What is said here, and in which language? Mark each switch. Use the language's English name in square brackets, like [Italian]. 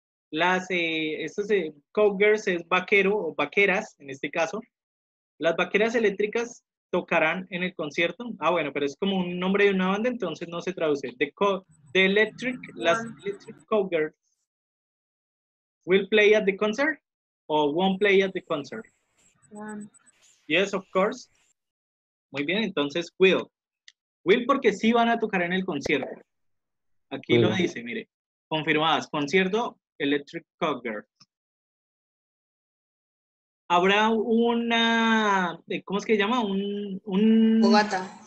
[Spanish] Cowgirls es vaquero o vaqueras, en este caso. Las vaqueras eléctricas tocarán en el concierto. Ah, bueno, pero es como un nombre de una banda, entonces no se traduce. [English] Las electric cowgirls will play at the concert o won't play at the concert. One. Yes, of course. [Spanish] Muy bien, entonces [English] will. [Spanish] Will porque sí van a tocar en el concierto. Aquí lo dice, mire. Confirmadas, concierto. Electric Cowgirls. Habrá una... ¿Cómo es que se llama? Fogata.